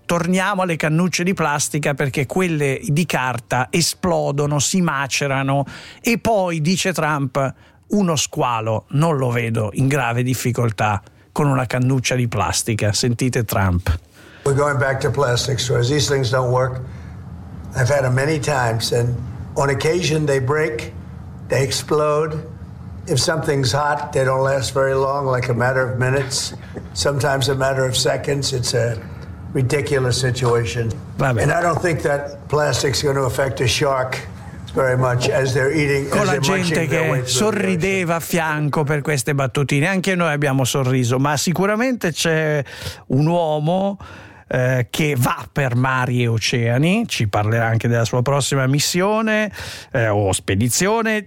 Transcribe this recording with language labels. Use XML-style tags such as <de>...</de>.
<it>Torniamo alle cannucce di plastica, perché quelle di carta esplodono, si macerano, e poi dice Trump: uno squalo non lo vedo in grave difficoltà con una cannuccia di plastica. Sentite Trump.</it> <en>We're going back to plastic straws. These things don't work. I've had them many times, and on occasion they break, they explode. If something's hot, they don't last very long, like a matter of minutes, sometimes a matter of seconds. It's a ridiculous situation.</en> <it>Vabbè.</it> <en>And I don't think that plastic's going to affect a shark very much as they're eating.</en> <it>Con</it> <en>as</en> <it>la gente che sorrideva a fianco per queste battutine, anche noi abbiamo sorriso, ma sicuramente c'è un uomo che va per mari e oceani, ci parlerà anche della sua prossima missione o spedizione.</it>